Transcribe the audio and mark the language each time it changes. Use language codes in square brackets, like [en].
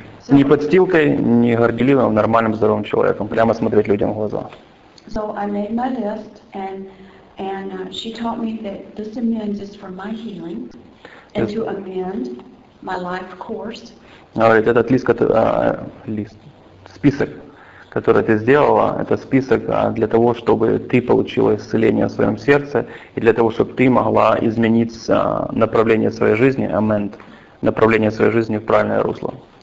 [ru] Не подстилкой, не горделивым, а нормальным здоровым человеком. Прямо смотреть людям в глаза. [en] So I made my list and she taught me that this amends is for my healing and to amend my life course. [ru] Говорит, этот лист, список, который ты сделала, это список для того, чтобы ты получила исцеление в своем сердце и для того, чтобы ты могла изменить направление своей жизни, amend, направление своей жизни в правильное русло.